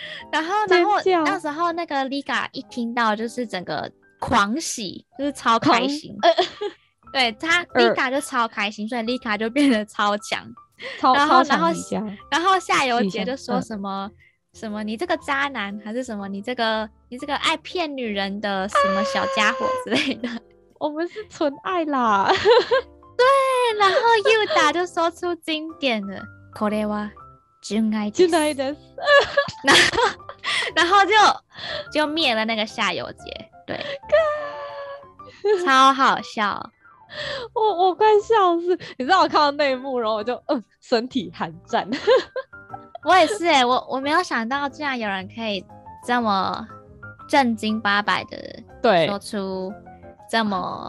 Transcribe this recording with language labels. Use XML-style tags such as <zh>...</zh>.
<zh>然后那时候那个 Liga 一听到就是整个狂喜，就是超开心，对他 Liga 就超开心，所以 Liga 就变得超强，然后下游杰就说什么、什么你这个渣男，还是什么你这个爱骗女人的什么小家伙之类的，我们是纯爱啦，对，然后 Yuda 就说出经典的</zh> <ja>これは純愛です，純愛です</ja> <zh>然后就灭了那个下游杰，对，超好笑。我快笑死，你知道我看到内幕然后我就身体寒战我也是耶、欸、我没有想到竟然有人可以这么正经八百的说出这么，</zh>